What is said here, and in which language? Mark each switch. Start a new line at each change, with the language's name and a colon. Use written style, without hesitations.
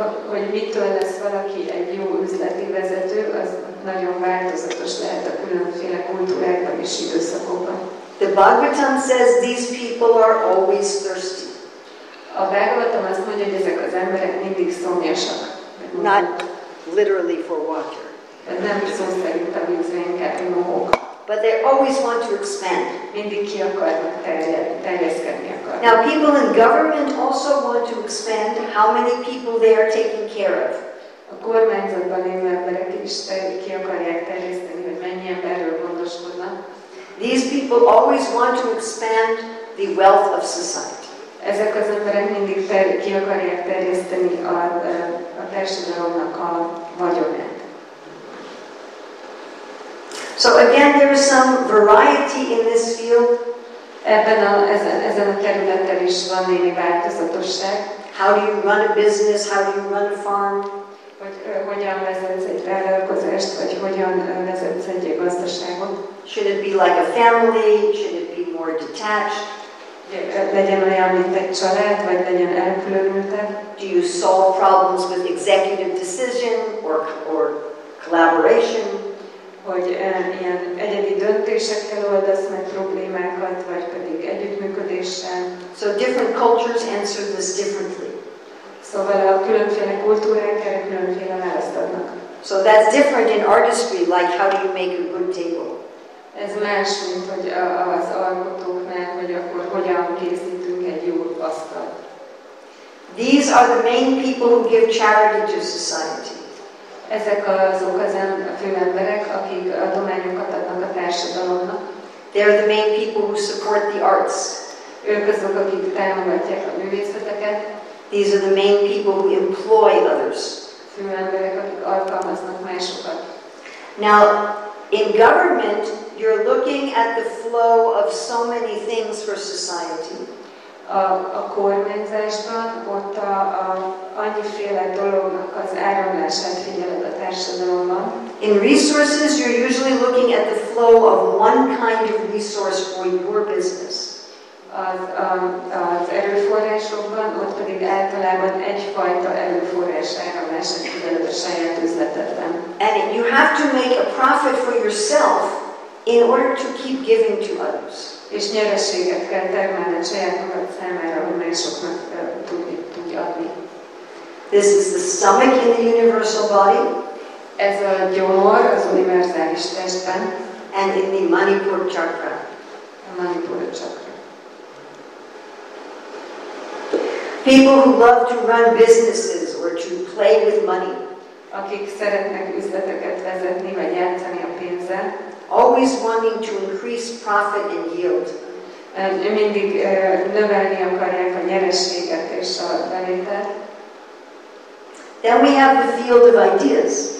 Hungarian: Hogy mitől lesz valaki egy jó üzleti vezető, az nagyon változatos lehet a különféle kultúrákban és időszakokban.
English: The Bhagavatam says these people are always thirsty.
Hungarian: A Bhagavatam azt mondja, hogy ezek az emberek mindig szomjasak.
English: Not literally for water.
Hungarian: Nem szó szerint a vízben kerülnek.
English: But they always want to expand.
Hungarian: Mindig ki akarnak terjeszkedni akarnak.
English: Now people in government also want to expand how many people they are taking care of.
Hungarian: A kormányzatban lévő emberek is ki akarják terjeszteni, hogy mennyi emberről gondoskodnak.
English: These people always want to expand the wealth of society.
Hungarian: Ezek az emberek mindig ki akarják terjeszteni a társadalomnak a vagyonát.
English: So again, there is some variety in this field.
Hungarian: Ezen a területen is van némi változatosság.
English: How do you run a business? How do you run a farm?
Hungarian: Hogyan vezetsz egy vállalkozást, vagy hogyan vezetsz egy gazdaságot?
English: Should it be like a family? Should it be more detached?
Hungarian: Legyen olyan, mint egy család, vagy legyen elkülönültebb?
English: Do you solve problems with executive decision or collaboration?
Hungarian: Hogy ilyen egyedi döntésekkel oldasz meg problémákat, vagy pedig együttműködéssel.
English: So different cultures answer this differently.
Hungarian: Szóval a különféle kultúrák erre különféle választ adnak.
English: So that's different in artistry, like how do you make a good table?
Hungarian: Ez más, mint hogy az alkotóknál, hogy akkor hogyan készítünk egy jó asztalt.
English: These are the main people who give charity to society.
Hungarian: Ezek azok az a fő emberek, akik adományokat adnak a társadalomnak.
English: They are the main people who support the arts.
Hungarian: Ők azok, akik támogatják a művészeteket.
English: These are the main people who employ others.
Hungarian: Fő emberek, akik alkalmaznak másokat.
English: Now, in government, you're looking at the flow of so many things for society.
Hungarian: A kormányzásban ott a annyiféle dolognak az áramlását figyeled a társadalomban.
English: In resources, you're usually looking at the flow of one kind of resource for your business.
Hungarian: Az erőforrásokban ott pedig általában egyfajta erőforrás áramlását figyeled a saját üzletedben.
English: And you have to make a profit for yourself in order to keep giving to others.
Hungarian: És nyerességet kell termelni a saját magad számára, hogy másoknak tudj adni.
English: This is the stomach in the universal body.
Hungarian: Ez a gyomor az univerzális testben.
English: And in the Manipur chakra.
Hungarian: a Manipura chakra.
English: People who love to run businesses or to play with money,
Hungarian: akik szeretnek üzleteket vezetni vagy játszani a pénzzel,
English: always wanting to increase profit and yield,
Hungarian: mindig növelni akarják a nyerességet és a bevételt.
English: Then we have the field of ideas,